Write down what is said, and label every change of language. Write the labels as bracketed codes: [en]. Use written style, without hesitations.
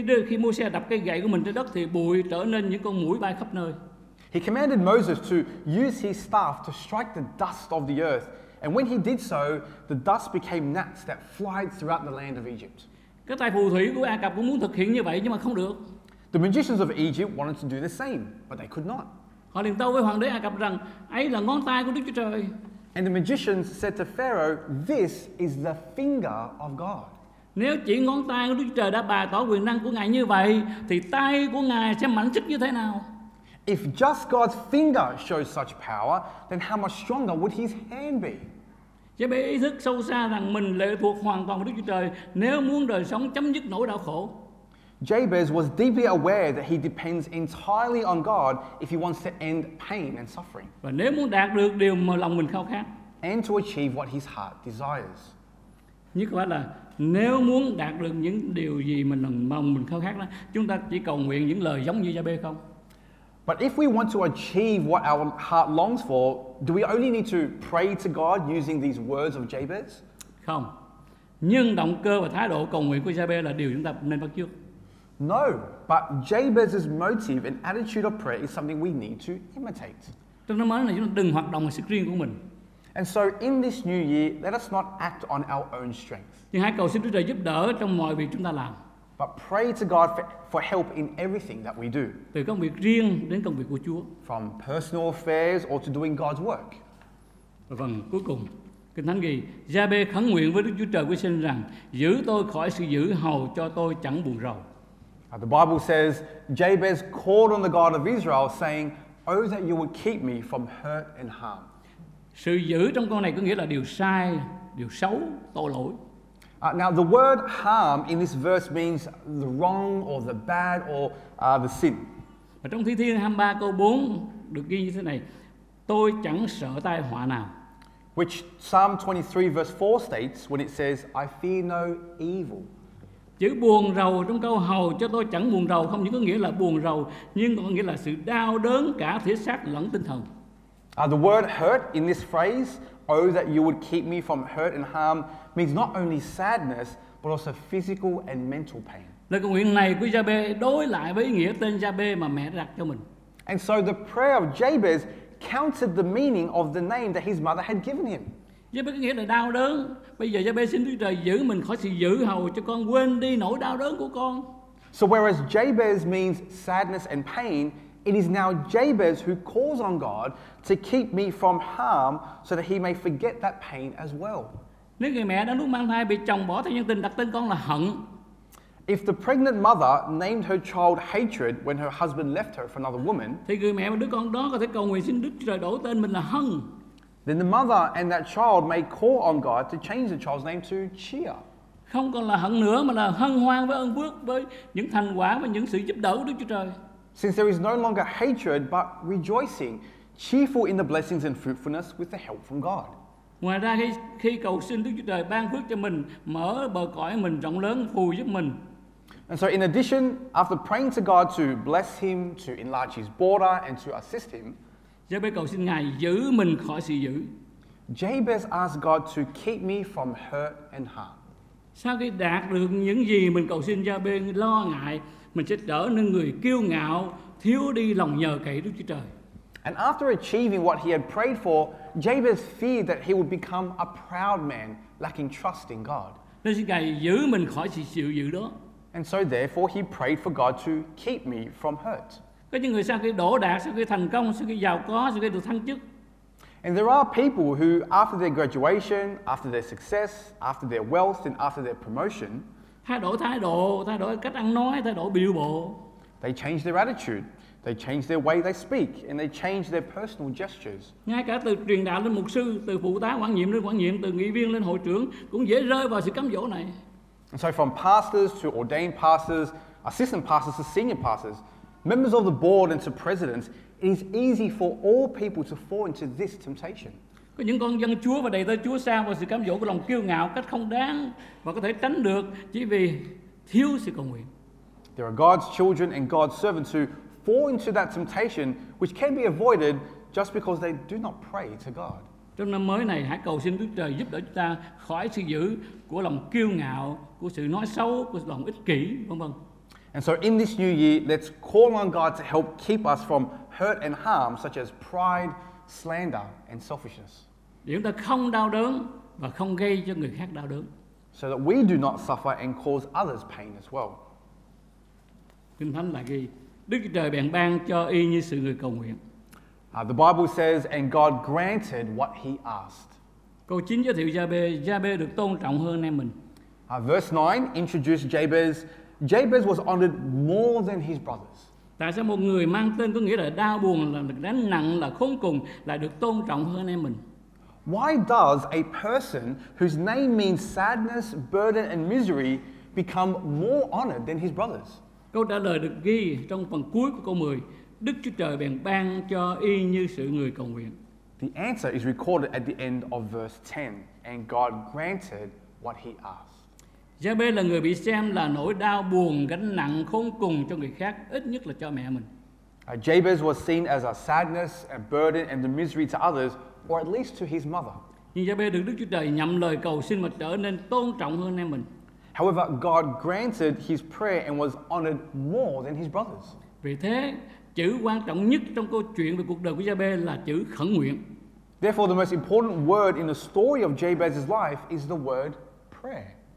[vi] Khi Môi-se đập cây gậy của mình trên đất thì bụi trở nên những con muỗi bay khắp nơi. [en] He commanded Moses to use his staff to strike the dust of the earth. And when he did so, the dust became gnats that flied throughout the land of Egypt. [vi] Cái tay phù thủy của Ai Cập cũng muốn thực hiện như vậy nhưng mà không được. [en] The magicians of Egypt wanted to do the same, but they could not. [vi] Họ liền tâu với hoàng đế Ai Cập rằng, ấy là ngón tay của Đức Chúa Trời. [en] And the magicians said to Pharaoh, this is the finger of God. [vi] Nếu chỉ ngón tay của Đức Chúa Trời đã bày tỏ quyền năng của Ngài như vậy, thì tay của Ngài sẽ mạnh sức như thế nào? [en] If just God's finger shows such power, then how much stronger would His hand be? [vi] Giê-bê ý thức sâu xa rằng mình lệ thuộc hoàn toàn vào Đức Chúa Trời nếu muốn đời sống chấm dứt nỗi đau khổ. [en] Jabez was deeply aware that he depends entirely on God if he wants to end pain and suffering. [vi] Và nếu muốn đạt được điều mà lòng mình khao khát. [en] And to achieve what his heart desires. [vi] Như có phải là nếu muốn đạt được những điều gì mình mong mình khao khát đó, chúng ta chỉ cầu nguyện những lời giống như Giê-bê không? [en] But if we want to achieve what our heart longs for, do we only need to pray to God using these words of Jabez? [vi] Không. Nhưng động cơ và thái độ cầu nguyện của Jabez là điều chúng ta nên bắt chước. [en] No, but Jabez's motive and attitude of prayer is something we need to imitate. [vi] Trong năm mới này chúng ta đừng hoạt động vào sức riêng của mình. [en] And so in this new year, let us not act on our own strength. [vi] Nhưng hãy cầu xin Đức Chúa Trời giúp đỡ trong mọi việc chúng ta làm. [en] But pray to God for help in everything that we do. [vi] Từ công việc riêng đến công việc của Chúa. [en] From personal affairs or to doing God's work. [vi] Vâng, cuối cùng, Kinh Thánh ghi, Giê-bê khẩn nguyện với Đức Chúa Trời quyết xin rằng, giữ tôi khỏi sự dữ hầu cho tôi chẳng buồn rầu. [en] The Bible says, Jabez called on the God of Israel saying, oh that you would keep me from hurt and harm. [vi] Sự dữ trong câu này có nghĩa là điều sai, điều xấu, tội lỗi. [en] Now the word harm in this verse means the wrong or the bad or the sin. [vi] Và trong Thi Thiên 23 câu 4 được ghi như thế này: tôi chẳng sợ tai họa nào. [en] Which Psalm 23 verse 4 states when it says I fear no evil. [vi] Chữ buồn rầu trong câu hầu cho tôi chẳng buồn rầu không những có nghĩa là buồn rầu nhưng còn có nghĩa là sự đau đớn cả thể xác lẫn tinh thần. [en] The word hurt in this phrase Oh, that you would keep me from hurt and harm means not only sadness, but also physical and mental pain. [vi] Lời cầu nguyện này của Jabez đối lại với nghĩa tên Jabez mà mẹ đặt cho mình. [en] And so the prayer of Jabez countered the meaning of the name that his mother had given him. [vi] Jabez có nghĩa là đau đớn. Bây giờ Jabez xin Đức Trời giữ mình khỏi sự dữ hầu cho con quên đi nỗi đau đớn của con. [en] So whereas Jabez means sadness and pain, it is now Jabez who calls on God to keep me from harm so that he may forget that pain as well. [vi] Nếu người mẹ đang lúc mang thai bị chồng bỏ theo nhân tình đặt tên con là hận. [en] If the pregnant mother named her child hatred when her husband left her for another woman, [vi] thì người mẹ và đứa con đó có thể cầu nguyện xin Đức Trời đổi tên mình là hận. [en] Then the mother and that child may call on God to change the child's name to Chia. [vi] Không còn là hận nữa mà là hân hoan với ơn phước, với những thành quả và những sự giúp đỡ của Đức Chúa Trời. [en] Since there is no longer hatred but rejoicing, cheerful in the blessings and fruitfulness with the help from God. [vi] Ngoài ra khi cầu xin Đức Chúa Trời ban phước cho mình, mở bờ cõi mình rộng lớn phù giúp mình. [en] And so in addition, after praying to God to bless him, to enlarge his border and to assist him, [vi] Jabez cầu xin Ngài giữ mình khỏi sự dữ. [en] Jabez asked God to keep me from hurt and harm. [vi] Sau khi đạt được những gì mình cầu xin, Jabez lo ngại mình sẽ trở nên người kiêu ngạo, thiếu đi lòng nhờ cậy Đức Chúa Trời. [en] And after achieving what he had prayed for, Jabez feared that he would become a proud man, lacking trust in God. [vi] Nên xin Ngài giữ mình khỏi sự dữ đó. [en] And so therefore he prayed for God to keep me from hurt. [vi] Có những người sau khi đỗ đạt, sau khi thành công, sau khi giàu có, sau khi được thăng chức. [en] And there are people who after their graduation, after their success, after their wealth and after their promotion, [vi] thay đổi cách ăn nói, thay đổi biểu bộ. [en] They change their attitude, they change their way they speak and they change their personal gestures. [vi] Ngay cả từ truyền đạo lên mục sư, từ phụ tá quản nhiệm lên quản nhiệm, từ nghị viên lên hội trưởng cũng dễ rơi vào sự cám dỗ này. [en] And so from pastors to ordained pastors, assistant pastors to senior pastors, members of the board and to presidents, it is easy for all people to fall into this temptation. [vi] Có những con dân Chúa và đầy tớ Chúa sa vào sự cám dỗ của lòng kiêu ngạo cách không đáng và có thể tránh được chỉ vì thiếu sự cầu nguyện. [en] There are God's children and God's servants who fall into that temptation which can be avoided just because they do not pray to God. [vi] Trong năm mới này hãy cầu xin Đức Trời giúp đỡ chúng ta khỏi sự dữ của lòng kiêu ngạo, của sự nói xấu, của lòng ích kỷ, vân vân. [en] And so in this new year, let's call on God to help keep us from hurt and harm such as pride, slander and selfishness. [vi] Để chúng ta không đau đớn và không gây cho người khác đau đớn. [en] So that we do not suffer and cause others pain as well. [vi] Kinh Thánh lại ghi, Đức Chúa Trời bèn ban cho y như sự người cầu nguyện. [en] The Bible says, and God granted what he asked. [vi] Câu 9 giới thiệu Jabez được tôn trọng hơn em mình. [en] Verse 9 introduced Jabez. Jabez was honored more than his brothers. [vi] Tại sao một người mang tên có nghĩa là đau buồn, là đánh nặng, là khốn cùng, lại được tôn trọng hơn em mình? [en] Why does a person whose name means sadness, burden and misery become more honored than his brothers? [vi] Câu trả lời được ghi trong phần cuối của câu 10. Đức Chúa Trời bèn ban cho y như sự người cầu nguyện. [en] The answer is recorded at the end of verse 10, and God granted what he asked. [vi] Jabez là người bị xem là nỗi đau buồn, gánh nặng, khốn cùng cho người khác, ít nhất là cho mẹ mình. [en] Jabez was seen as a sadness, a burden, and the misery to others, or at least to his mother. [vi] Nhưng Jabez được Đức Chúa Trời nhậm lời cầu xin mà trở nên tôn trọng hơn em mình. [en] However, God granted his prayer and was honored more than his brothers. [vi] Vì thế, chữ quan trọng nhất trong câu chuyện về cuộc đời của Jabez là chữ khẩn nguyện. [en] Therefore, the most important word in the story of Jabez's life is the word prayer.